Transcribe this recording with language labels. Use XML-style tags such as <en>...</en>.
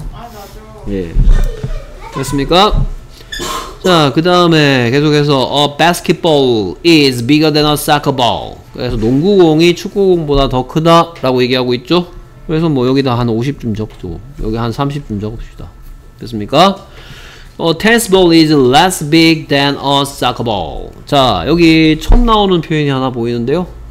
<ko>아, 나죠. 예. 됐습니까? 자, 그 다음에 계속해서</ko> <en>A basketball is bigger than a soccer ball.</en> <ko>그래서 농구공이 축구공보다 더 크다 라고 얘기하고 있죠? 그래서 뭐 여기다 한 50쯤 적죠. 여기 한 30쯤 적읍시다. 됐습니까?</ko> <en>A tennis ball is less big than a soccer ball.</en> <ko>자, 여기 처음 나오는 표현이 하나 보이는데요.</ko>